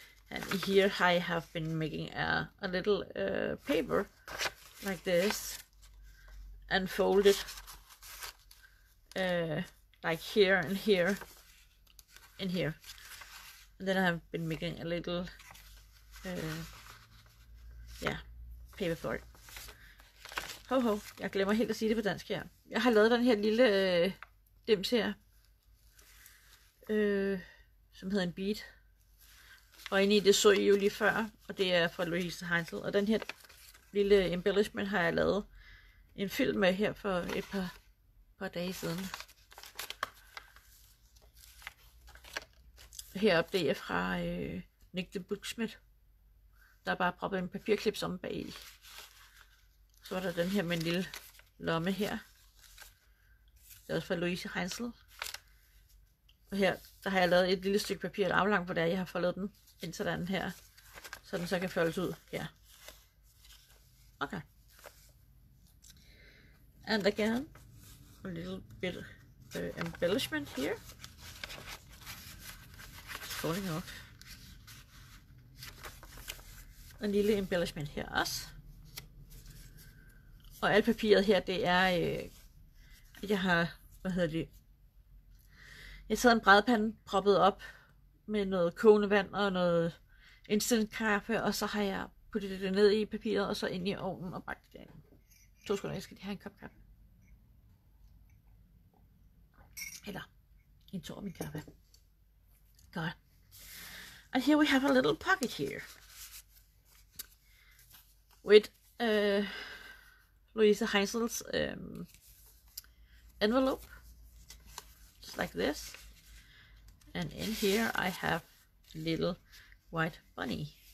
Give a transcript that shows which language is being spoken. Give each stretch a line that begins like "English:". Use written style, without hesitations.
English: And here I have been making a little paper like this and fold it like here and here and here. And then I have been making a little paper for it.
Danish: Ho, jeg glemmer helt at sige det på dansk her. Jeg har lavet den her lille dims her. Som hedder en bead. Og inde i det så I jo lige før, og det er fra Louise Heinzel. Og den her lille embellishment har jeg lavet en film med her for et par dage siden. Heroppe det er fra Nick the Booksmith. Der er bare proppet en papirklips om bag i. Så er der den her med en lille lomme her. Det er også fra Louise Heinzel. Og her, der har jeg lavet et lille stykke papir aflangt, hvor jeg har foldet den ind til den her, så den så kan foldes ud her.
English: Okay. And again, a little bit of embellishment here. It's falling off.
Danish: En lille embellishment her også. Og alt papiret her, det er, jeg har, hvad hedder det, jeg tager en brædpande proppet op med noget kogende vand og noget instant kaffe, og så har jeg puttet det ned i papiret, og så ind i ovnen og bagt det derinde. 2 sekunder, jeg skal lige have en kop kaffe. Eller en tår af min kaffe. Godt.
English: And here we have a little pocket here. With Louise Heinzel's envelope. Just like this. And in here I have a little white bunny.